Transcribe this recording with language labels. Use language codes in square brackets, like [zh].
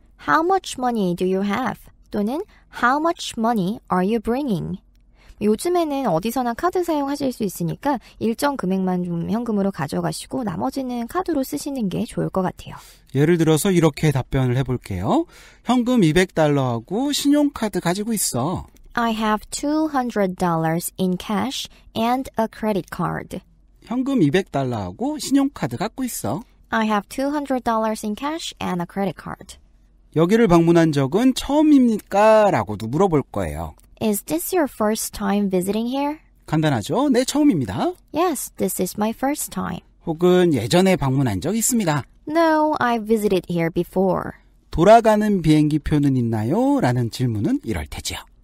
[en] How much money do you have? [ko] 또는 [en] How much money are you bringing? [ko] 요즘에는 어디서나 카드 사용하실 수 있으니까 일정 금액만 좀 현금으로 가져가시고 나머지는 카드로 쓰시는 게 좋을 것 같아요. 예를 들어서 이렇게 답변을 해볼게요. 현금 $200하고 신용카드 가지고 있어. [en] I have $200 in cash and a credit card. [ko] 현금 $200하고 신용카드 갖고 있어. [en] I have $200 in cash and a credit card. [ko] 여기를 방문한 적은 처음입니까? 라고도 물어볼 거예요. [en] Is this your first time visiting here? [ko] 간단하죠? 네, 처음입니다. [en] Yes, this is my first time. [ko] 혹은 예전에 방문한 적 있습니다. [en] No, I visited here before. [ko] 돌아가는 비행기표는 있나요? 라는 질문은 이럴 테지요.